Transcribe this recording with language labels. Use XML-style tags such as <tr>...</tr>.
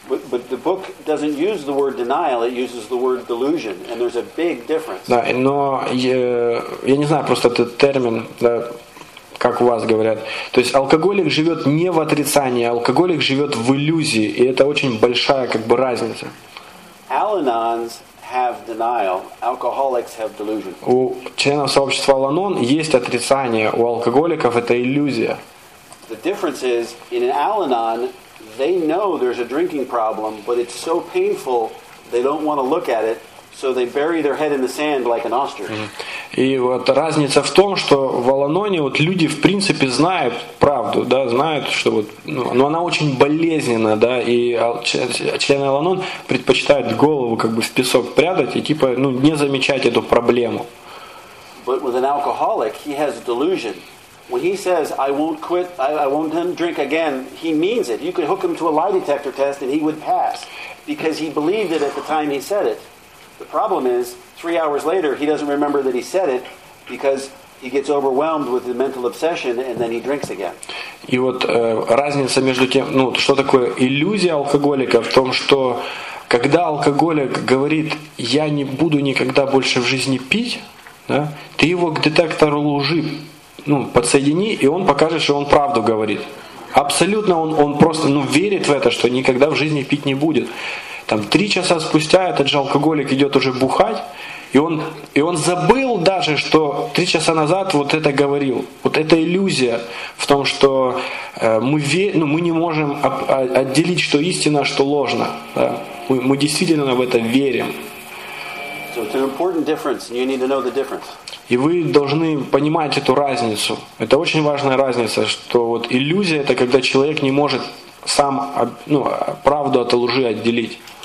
<en>But the book doesn't use the word denial, it uses the word delusion, and there's a big difference.</en> <ru>Да, но я не знаю просто этот термин, да, как у вас говорят. То есть алкоголик живет не в отрицании, алкоголик живет в иллюзии, и это очень большая как бы разница.</ru> <en>Al-Anons have denial, alcoholics have delusion.</en> <ru>У членов сообщества Al-Anon есть отрицание, у алкоголиков это иллюзия.</ru> <en>The difference is in an Al-Anon they know there's a drinking problem, but it's so painful they don't want to look at it, so they bury their head in the sand like an ostrich. Mm-hmm.</en> <ru>И вот разница в том, что в Al-Anon-е вот люди в принципе знают правду, да, знают, что вот, ну, но она очень болезненна, да, и члены Al-Anon предпочитают голову как бы в песок прятать и типа, ну, не замечать эту проблему.</ru> <en>But with an alcoholic, he has delusion. When he says, "I won't quit, I won't drink again," he means it. You could hook him to a lie detector test and he would pass because he believed it at the time he said it. The problem is, 3 hours later, he doesn't remember that he said it because he gets overwhelmed with the mental obsession and then he drinks again.</en> <ru>И вот разница между тем, ну, что такое иллюзия алкоголика в том, что когда алкоголик говорит, я не буду никогда больше в жизни пить, да, ты его к детектору лжи, ну, подсоедини, и он покажет, что он правду говорит. Абсолютно он просто, ну, верит в это, что никогда в жизни пить не будет. Там 3 часа спустя этот же алкоголик идет уже бухать, и он забыл даже, что 3 часа назад вот это говорил. Вот эта иллюзия в том, что мы не можем отделить, что истина, что ложно. Да? Мы действительно в это верим.</ru> <en>So it's an important difference, and you need to know the difference.</en> <ru>И вы должны понимать эту разницу. Это очень важная разница, что вот иллюзия — это когда человек не может сам, ну, правду от лжи отделить.</ru>